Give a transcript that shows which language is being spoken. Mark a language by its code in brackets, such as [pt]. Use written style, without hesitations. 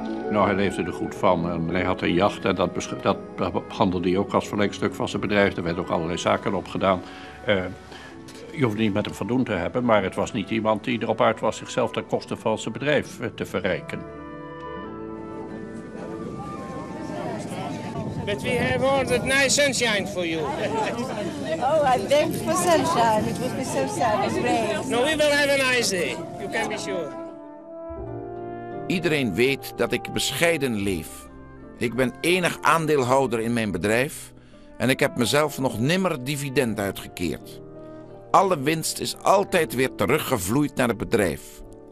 [nl] Nou, hij leefde er goed van en hij had een jacht en dat handelde hij ook als verlengstuk van zijn bedrijf. Er werden ook allerlei zaken op gedaan. Je hoefde niet met hem van doen te hebben, maar het was niet iemand die erop uit was zichzelf ten koste van zijn bedrijf te verrijken. [en] But we have ordered nice sunshine for you. Oh, I beg for sunshine. It would be so sad if it rains. No, we will have a nice day. You can be sure. [nl] Iedereen weet dat ik bescheiden leef. Ik ben enig aandeelhouder in mijn bedrijf en ik heb mezelf nog nimmer dividend uitgekeerd. Alle winst is altijd weer teruggevloeid naar het bedrijf.